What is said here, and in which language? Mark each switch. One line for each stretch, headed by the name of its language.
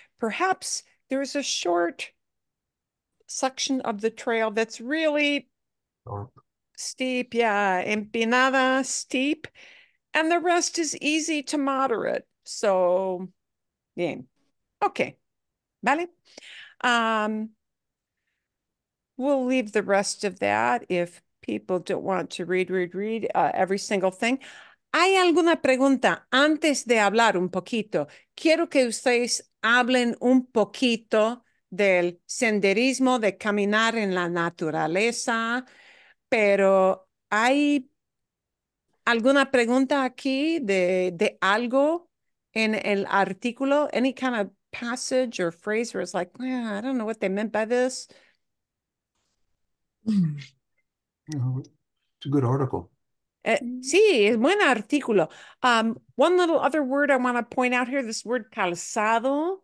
English: Perhaps there is a short section of the trail that's really steep, yeah, empinada, steep, and the rest is easy to moderate. So, bien. Okay. Vale. We'll leave the rest of that if people don't want to read every single thing.
Spanish: ¿Hay alguna pregunta antes de hablar un poquito? Quiero que ustedes hablen un poquito del senderismo, de caminar en la naturaleza, pero ¿hay alguna pregunta aquí de algo en el artículo?
English: Any kind of passage or phrase where it's like, well, I don't know what they meant by this. It's a good article.
Spanish: Sí, es buen artículo.
English: One little other word I want to point out here, this word calzado.